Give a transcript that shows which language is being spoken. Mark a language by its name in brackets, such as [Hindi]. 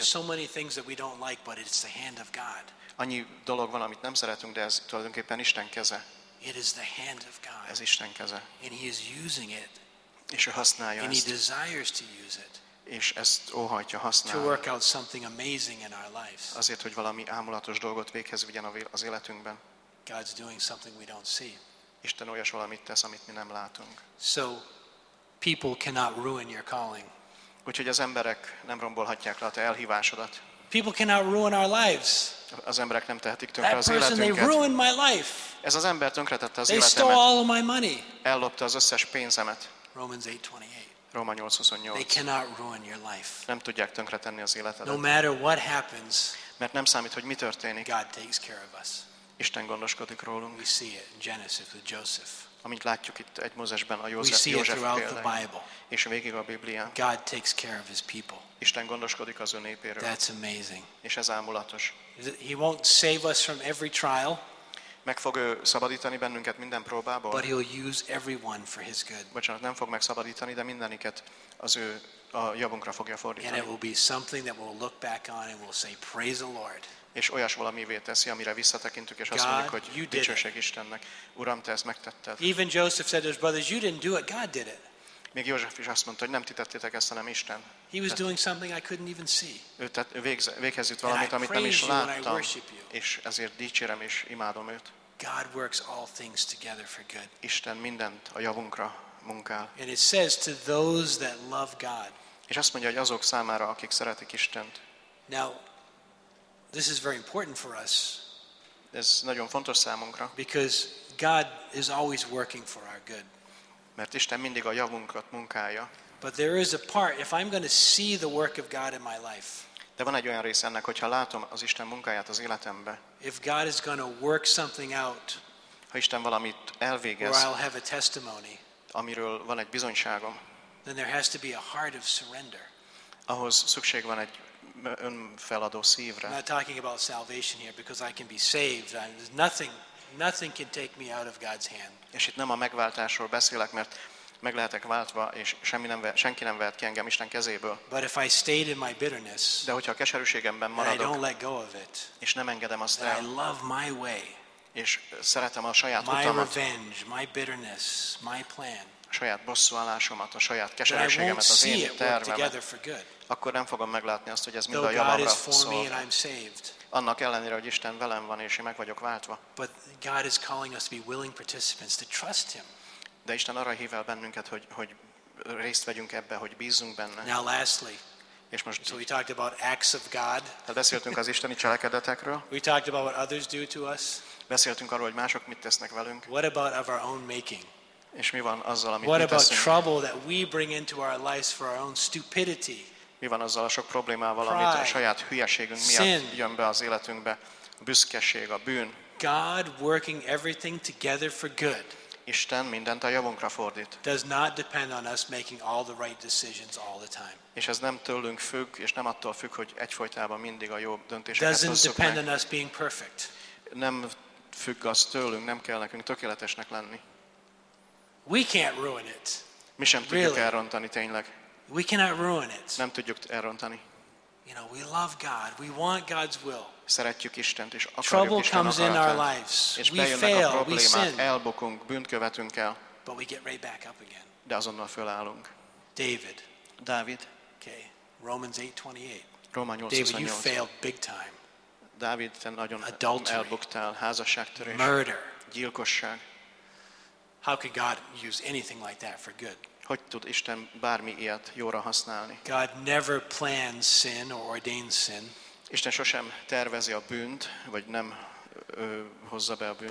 [English] There's so many things that we don't like, but it's the hand of God. [Hungarian] Annyi dolog van, amit nem szeretünk, de ez tulajdonképpen Isten keze. [English] It is the hand of God. [Hungarian] Ez Isten keze. [English] And he is using it. [Hungarian] És ő használja [English] and he [Hungarian] ezt. [English] Desires to use it. [Hungarian] És ezt óhajtja használni. [English] To work out something amazing in our lives. [Hungarian] Azért, hogy valami ámulatos dolgot véghez vigyen az életünkben. [English] God's doing something we don't see. [Hungarian] Isten olyas valamit tesz, amit mi nem látunk. [English] So people cannot ruin your calling. [Hungarian] Úgyhogy az emberek nem rombolhatják le a te elhívásodat. [English] People cannot ruin our lives. [Hungarian] Az emberek nem tehetik tönkre az életünket. [English] They ruined my life. [Hungarian] Ez az ember tönkretette az életemet. [English] They stole all of my money. [Hungarian] Ellopta az összes pénzemet. [English] Romans 8:28. [Hungarian] Róma 8:28. [English] They cannot ruin your life. [Hungarian] Nem tudják tönkretenni az életedet. [English] No matter what happens. [Hungarian] Mert nem számít, hogy mi történik. [English] God takes care of us. [Hungarian] Isten gondoskodik rólunk. [English] We see it in Genesis with Joseph. [Hungarian] Amint látjuk itt egy Mózesben a József példáját. És végig a Biblián. [English] God takes care of his people. [Hungarian] Isten gondoskodik az ő népéről. [English] That's amazing. [Hungarian] És ez ámulatos. [English] He won't save us from every trial. [Hungarian] Meg fog ő szabadítani bennünket minden próbából. [English] But he'll use everyone for his good. [Hungarian] Bocsánat, nem fog megszabadítani, de mindeniket az ő a javunkra fogja fordítani. [English] And it will be something that we'll look back on and we'll say praise the Lord. [Hungarian] És olyas valamivé teszi, amire visszatekintünk és azt mondjuk, hogy dicsőség Istennek. Uram, te ezt megtetted. [English] Even Joseph said to his brothers, you didn't do it, God did it. [Hungarian] Még József is azt mondta, hogy nem ti tettétek ezt, hanem Isten. [English] He was doing something I couldn't even see. [Hungarian] Véghez jut valamit, amit nem is láttam. És ezért dicsérem és imádom őt. [English] God works all things together for good. [Hungarian] Isten mindent a javunkra munkál. [English] And it says to those that love God. [Hungarian] És azt mondja, hogy azok számára, akik szeretik Istent. [English] Now, this is very important for us. [Hungarian] Ez nagyon fontos számunkra. [English] Because God is always working for our good. [Hungarian] Mert Isten mindig a javunkat munkálja. [English] But there is a part if I'm going to see the work of God in my life. [Hungarian] De van egy olyan része ennek, hogyha látom az Isten munkáját az életembe. [English] If God is going to work something out. [Hungarian] Ha Isten valamit elvégez. [English] I'll have a testimony. [Hungarian] Amiről van egy bizonyságom. [English] Then there has to be a heart of surrender. [Hungarian] ahhoz szükség van egy önfeladó szívre. [English] I'm not talking about salvation here because I can be saved. Nothing can take me out of God's hand. [Hungarian] És itt nem a megváltásról beszélek, mert meg lehetek váltva, és senki nem vehet ki engem Isten kezéből. [English] But if I stayed in my bitterness, [Hungarian] de hogyha a keserűségemben maradok, [English] and I don't let go of it, [Hungarian] és nem engedem azt el, [English] I love my way, [Hungarian] és szeretem a saját [English] my [Hungarian] utamat, [English] revenge, my bitterness, my plan, [Hungarian] a saját bosszúállásomat, a saját keserűségemet, az én tervemet, akkor nem fogom meglátni azt, hogy ez mind a javamra szól. Annak ellenére, hogy Isten velem van, és én meg vagyok váltva. [English] But God is calling us to be willing participants, to trust him. [Hungarian] De Isten arra hív el bennünket, hogy részt vegyünk ebbe, hogy bízzunk benne. [English] Now lastly, [Hungarian] és most [English] so we talked about acts of God. [Hungarian] Beszéltünk az isteni cselekedetekről. [English] We talked about what others do to us. [Hungarian] Beszéltünk arról, hogy mások mit tesznek velünk. [English] What about of our own making? [Hungarian] És mi van azzal, amit [English] what [Hungarian] mi [English] about [Hungarian] teszünk? [English] Trouble that we bring into our lives for our own stupidity? [Hungarian] Mi van azzal a sok problémával, amit a saját hülyeségünk miatt [English] sin. [Hungarian] Jön be az életünkbe? A büszkeség, a bűn. [English] God working everything together for good. [Hungarian] Isten mindent a javunkra fordít. [English] Does not depend on us making all the right decisions all the time. [Hungarian] És ez nem tőlünk függ, és nem attól függ, hogy egyfolytában mindig a jó döntéseket hozzuk meg. [English] Doesn't depend on us being perfect. [Hungarian] Nem függ az tőlünk, nem kell nekünk tökéletesnek lenni. [English] We can't ruin it. [Hungarian] Mi sem tudjuk [English] really. [Hungarian] Elrontani tényleg. [English] We cannot ruin it. [Hungarian] Nem tudjuk elrontani. [English] You know, we love God. We want God's will. [Hungarian] Szeretjük Istent, és akarjuk [English] trouble [Hungarian] Isten [English] comes [Hungarian] akaratát. [English] In our lives. [Hungarian] És [English] we fail, we sin. [Hungarian] Elbukunk, bűnt követünk el. [English] But we get right back up again. [Hungarian] De azonnal fölállunk. [English] David. [Hungarian] Dávid. [English] Okay. Romans 8:28. [Hungarian] Róma 8:28. [English] David, you failed big time. [Hungarian] Dávid, te nagyon elbuktál. Házasságtörés. [English] Murder. [Hungarian] Gyilkosság. [English] How could God use anything like that for good? [Hungarian] Hogy tud Isten bármi ilyet jóra használni? [English] God never plans sin or ordains sin. [Hungarian] Isten sosem tervezi a bűnt, vagy nem hozza be a bűnt.